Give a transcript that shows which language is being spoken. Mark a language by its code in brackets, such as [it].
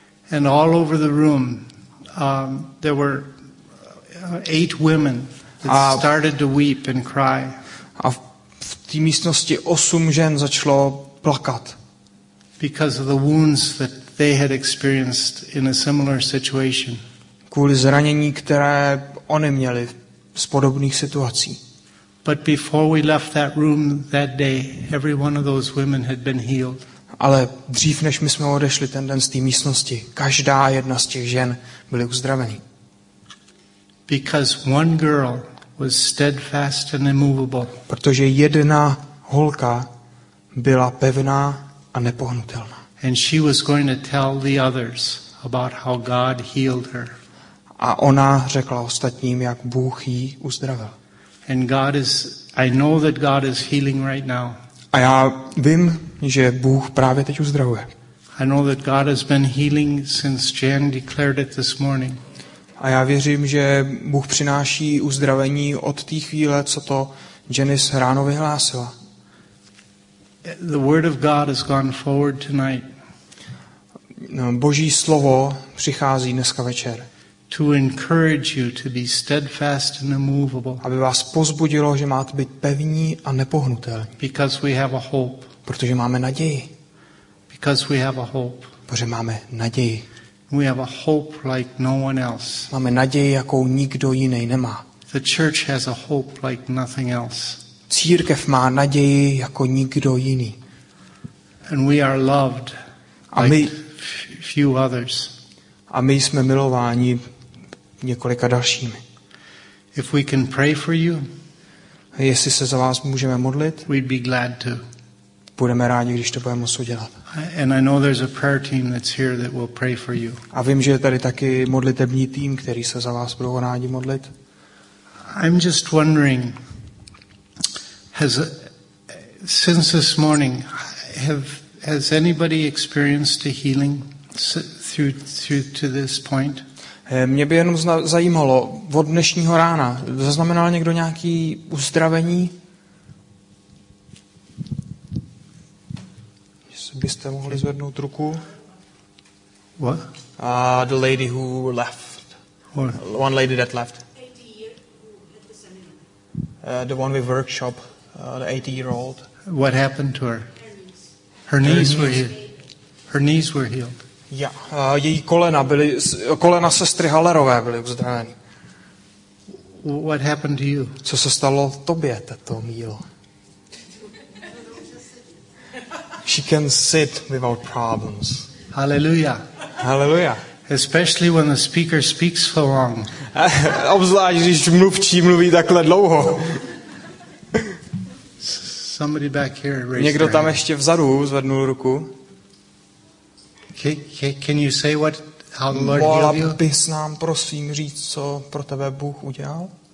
[en] And all over the room there were 8 women that started to weep and cry. [cs] A v té místnosti 8 žen začalo plakat. [en] Because of the wounds that they had experienced in a similar situation. [cs] Kvůli zranění, které oni měli z podobných situací. [en] But before we left that room that day, every one of those women had been healed. [cs] Ale dřív, než my jsme odešli ten den z té místnosti, každá jedna z těch žen byly uzdraveny. [en] Because one girl was steadfast and immovable. [cs] Protože jedna holka byla pevná a nepohnutelná. [en] And she was going to tell the others about how God healed her. [cs] A ona řekla ostatním, jak Bůh jí uzdravil. [en] And God is, I know that God is healing right now. [cs] A já vím, že Bůh právě teď uzdravuje. [en] I know that God has been healing since Jan declared it this morning. [cs] A já věřím, že Bůh přináší uzdravení od té chvíle, co to Janice ráno vyhlásila. [en] The word of God has gone forward tonight. [cs] Boží slovo přichází dneska večer. [en] To encourage you to be steadfast and immovable. [cs] Aby vás pozbudilo, že máte být pevní a nepohnutelní. [en] Because we have a hope. [cs] Protože máme naději. [en] Because we have a hope. [cs] Protože máme naději. [en] We have a hope like no one else. [cs] Máme naději, jakou nikdo jiný nemá. [en] The church has a hope like nothing else. [cs] Církev má naději jako nikdo jiný. [en] And we are loved like few others. [cs] A my jsme milováni několika dalšími. [en] If we can pray for you, [cs] Jestli se za vás můžeme modlit, [en] we'd be glad to. [cs] Budeme rádi, když to budeme moct udělat. [en] And I know there's a prayer team that's here that will pray for you. [cs] A vím, že je tady taky modlitební tým, který se za vás budou rádi modlit. [en] I'm just wondering, since this morning, has anybody experienced a healing through to this point? [cs] Mě by jenom zajímalo, od dnešního rána, zaznamenal někdo nějaký uzdravení? Byste mohli zvednout ruku? [en] What? The lady who left. What? One lady that left. 80-year-old. The one with workshop. The 80-year-old. What happened to her? Her knees were healed. Yeah. [cs] Její kolena byly, kolena sestry Hallerové byly uzdraveny. [en] What happened to you? [cs] Co se stalo tobě, tato mílo? [en] She can sit without problems. Hallelujah. Hallelujah. Especially when the speaker speaks so long. [cs] Obzvlášť, když mluvčí mluví takhle dlouho. [en] Somebody back here raised their hand. [cs] Někdo tam ještě vzadu zvednul ruku. [en] Can you say what how the Lord healed you? [cs] Mohla bys nám prosím říct, co pro tebe Bůh udělal?